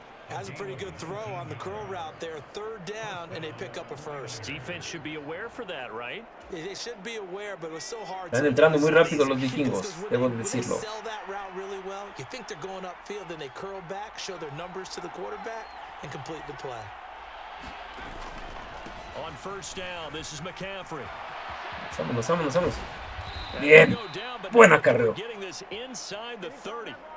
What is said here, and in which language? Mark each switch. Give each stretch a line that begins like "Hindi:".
English: Has a pretty good throw on the curl route there. Third down, and they pick up a first. Defense should be aware for that, right? They should be aware, but it was so hard.
Spanish: Están entrando muy rápido los vikingos, debo decirlo.
English: They sell that route really well. You think they're going upfield, then they curl back, show their numbers to the quarterback, and complete the play. On first down, this is McCaffrey.
Spanish: Vámonos, vámonos, vámonos. Bien. Buen acarreo.
English: Getting this inside the 30.